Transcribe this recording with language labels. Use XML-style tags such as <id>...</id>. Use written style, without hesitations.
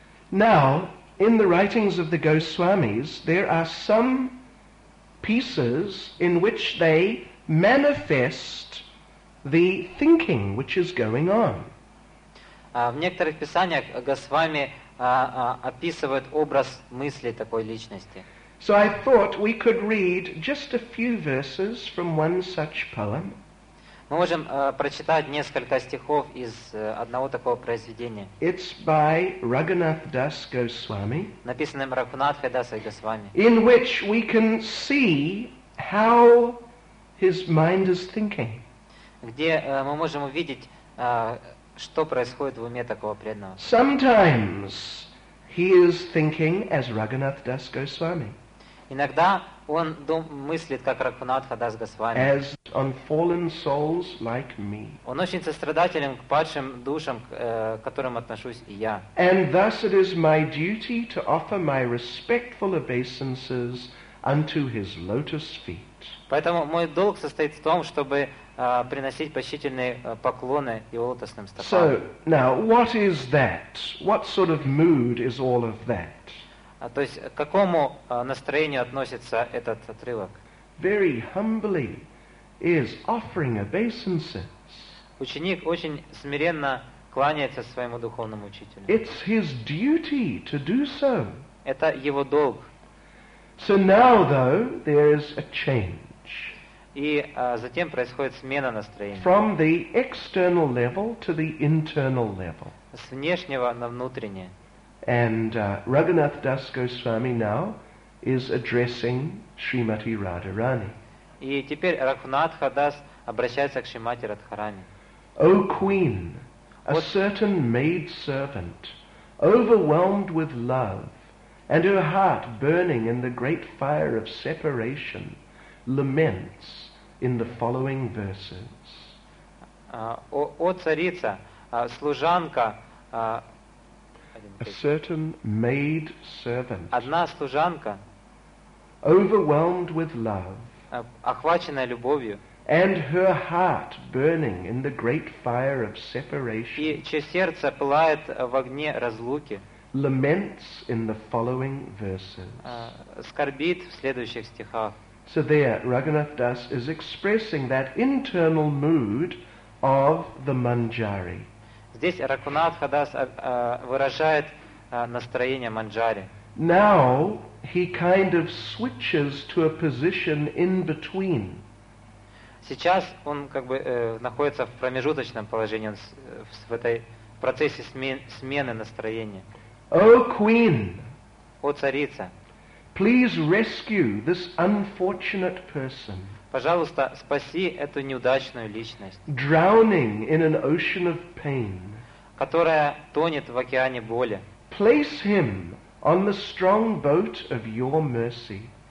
<en>Now, in the writings of the Goswamis, there are some pieces in which they manifest the thinking which is going on.</en> <ru>В некоторых писаниях Госвами описывают образ мысли такой личности.</ru> <en>So I thought we could read just a few verses from one such poem.</en> <ru>Мы можем прочитать несколько стихов из одного такого произведения.</ru> <en>It's by Raghunath Das Goswami.</en> <ru>Написанным Рагхунатхой Дасой Госвами.</ru> <en>In which we can see how his mind is thinking.</en> <ru>Где мы можем увидеть, что происходит в уме такого преданного.</ru> <en>Sometimes he is thinking as Raghunath Das Goswami.</en> <ru>Иногда он мыслит, как Рагхунатха Дас Госвами.</ru> <en>As on fallen souls like me.</en> <ru>Он очень сострадателен к падшим душам, к которым отношусь и я.</ru> <en>And thus it is my duty to offer my respectful obeisances unto his lotus feet.</en> <ru>Поэтому мой долг состоит в том, чтобы приносить почтительные поклоны его лотосным стопам.</ru> <en>So, now, what is that? What sort of mood is all of that?</en> <ru>То есть, к какому настроению относится этот отрывок?</ru> <en>Very humbly is offering obeisances.</en> <ru>Ученик очень смиренно кланяется своему духовному учителю.</ru> <en>It's his duty to do so.</en> <ru>Это его долг.</ru> <en>So now, though, there is a change.</en> <ru>И затем происходит смена настроения.</ru> <en>From the external level to the internal level.</en> <ru>С внешнего на внутреннее.</ru> <en>And Raghunath Das Goswami now is addressing Srimati Radharani.</en> <ru>И теперь Рагхунатха Дас обращается к Шримати Радхарани.</ru> <en>O queen, a certain maid servant, overwhelmed with love, and her heart burning in the great fire of separation, laments in the following verses.</en> <ru>О царица, служанка.</ru> <en>A certain maid servant.</en> <ru>Одна служанка.</ru> <en>Overwhelmed with love.</en> <ru>Охваченная любовью.</ru> <en>And her heart burning in the great fire of separation.</en> <ru>И чье сердце пылает в огне разлуки.</ru> <en>Laments in the following verses.</en> <ru>Скорбит в следующих стихах.</ru> <en>So there, Raghunath Das is expressing that internal mood of the Manjari.</en> <ru>Здесь Рагхунатха Дас выражает настроение Манджари.</ru> <en>Now he kind of switches to a position in between.</en> <ru>Сейчас он как бы находится в промежуточном положении, он в этой процессе смены настроения.</ru> <en>O queen,</en> <ru>о царица,</ru> <en>please rescue this unfortunate person.</en> <ru>Пожалуйста, спаси эту неудачную личность.</ru> <en>Drowning in an ocean of pain,</en> <ru>которая тонет в океане боли.</ru> <en>Place him on the strong boat of your mercy.</en>